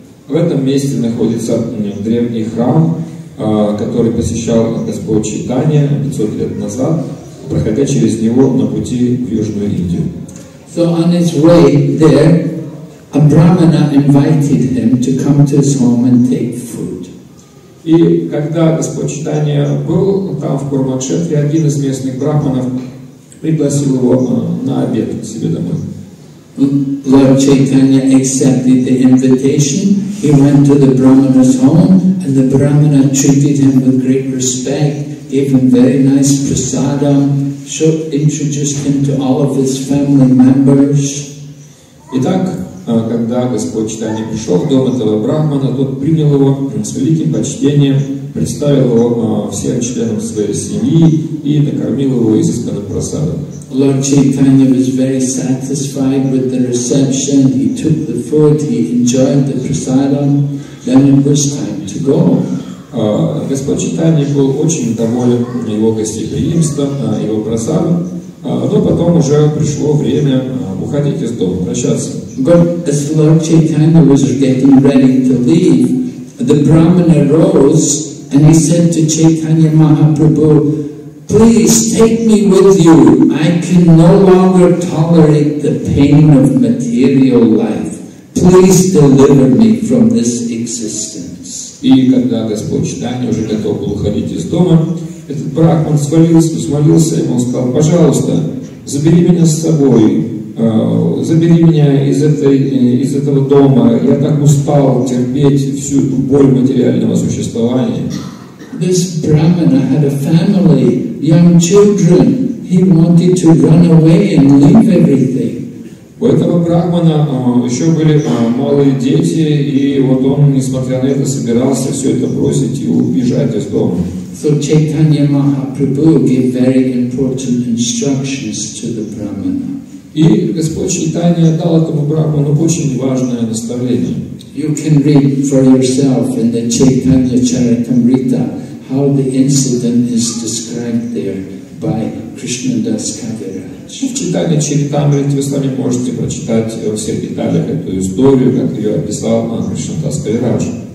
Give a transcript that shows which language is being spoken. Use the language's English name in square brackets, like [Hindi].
[Russian] В этом месте находится древний храм, который посещал Господь Чайтанья 500 лет назад, проходя через него на пути в Южную Индию. [English] So on his way there, a brahmana invited him to come to his home and take food. [Russian] И когда Господь Чайтанья был там в Курукшетре, один из местных брахманов пригласил его на обед к себе домой. [English] Lord Chaitanya accepted the invitation. He went to the brahmana's home, and the brahmana treated him with great respect, gave him very nice prasadam, introduced him to all of his family members. [Russian] Итак, когда Господь Чайтанья пришел в дом этого брахмана, тот принял его с великим почтением, представил его всем членам своей семьи и накормил его изысканным прасадом. [English] Lord Chaitanya was very satisfied with the reception. He took the food, he enjoyed the prasadam. Then it was time to go. [Russian] Господь Чайтанья был очень доволен его гостеприимством, его прасадом. Но потом уже пришло время уходить из дома, прощаться. [English] But as Lord Chaitanya was getting ready to leave, the brahmana rose and he said to Chaitanya Mahaprabhu, please take me with you. I can no longer tolerate the pain of material life. Please deliver me from this existence. [Russian] И когда Господь Чайтанья уже готов был уходить из дома, этот брахман взмолился ему, он сказал, пожалуйста, забери меня с собой, забери меня из этого дома. Я так устал терпеть всю эту боль материального существования. [English] This brahmana had a family, young children. He wanted to run away and leave everything. [Russian] У этого брахмана еще были малые дети, и вот он, несмотря на это, собирался все это бросить и убежать из дома. [English] So Chaitanya Mahaprabhu gave very important instructions to the brahmana. [Russian] И Господь Чайтанья дал этому брахману очень важное наставление. [English] You can read for yourself in the Chaitanya Charitamrita how the incident is described there by Krishna Das Kaviraj. [Russian] В Чайтанья Чаритамрите вы сами можете прочитать во всех деталях эту историю, как ее описал Кришна Дас Кавирадж.